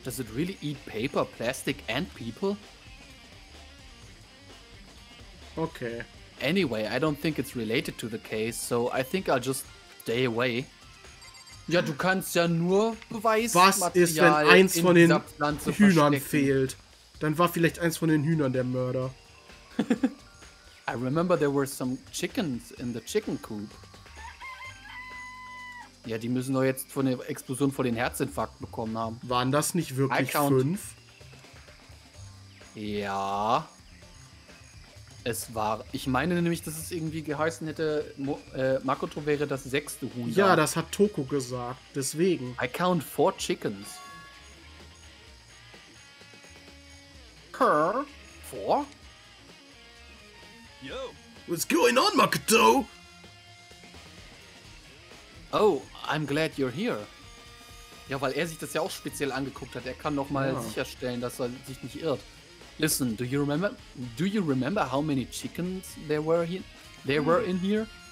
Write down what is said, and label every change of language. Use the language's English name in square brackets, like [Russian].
[English] Does it really eat paper, plastic and people? Okay. Anyway, I don't think it's related to the case, so I think I'll just stay away. [German] Ja, du kannst ja nur Beweismaterial in dieser Pflanze verstecken. Was ist, wenn eins von den Hühnern fehlt? Dann war vielleicht eins von den Hühnern der Mörder. [English] I remember there were some chickens in the chicken coop. [German] Ja, die müssen doch jetzt von der Explosion vor den Herzinfarkt bekommen haben. Waren das nicht wirklich fünf? Ja. Es war, ich meine nämlich, dass es irgendwie geheißen hätte, Makoto wäre das sechste Huhn. Ja, das hat Toku gesagt, deswegen. [English] I count four chickens. Four? Yo, what's going on, Makoto? Oh, I'm glad you're here. [German] Ja, weil er sich das ja auch speziell angeguckt hat. Er kann nochmal sicherstellen, dass er sich nicht irrt. [English] Listen, do you remember how many chickens there were in here?